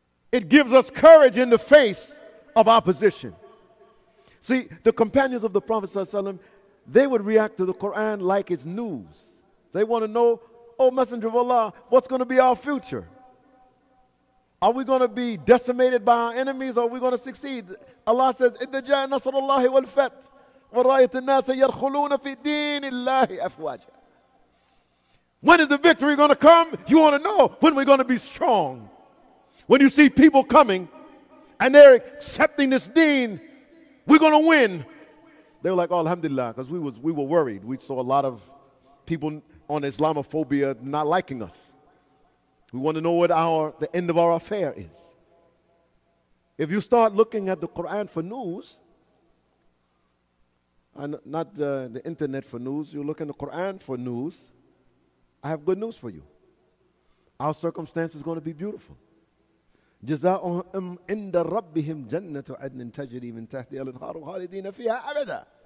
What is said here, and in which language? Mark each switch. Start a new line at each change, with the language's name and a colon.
English: It gives us courage in the face of opposition. See, the companions of the Prophet Sallallahu Alaihi Wasallam, they would react to the Quran like it's news. They want to know, oh, Messenger of Allah, what's going to be our future? Are we going to be decimated by our enemies, or are we going to succeed? Allah says,
Arabic: إِذَّ جَاءَ نَصْرُ اللَّهِ وَالْفَتْحُ وَرَأَيْتَ النَّاسَ يَرْخُلُونَ فِي دِينِ اللَّهِ أَفْوَاجًا.
English: When is the victory going to come? You want to know when we're going to be strong. When you see people coming and they're accepting this deen, we're going to win. They're like, oh, alhamdulillah, because we were worried. We saw a lot of people on Islamophobia not liking us. We want to know what the end of our affair is. If you start looking at the Quran for news, and not the internet for news, you look in the Quran for news, I have good news for you. Our circumstance is going to be beautiful.
Arabic: جزاؤهم عند ربهم جنة عدن تجري من تحتها الأنهار خالدين فيها أبدا.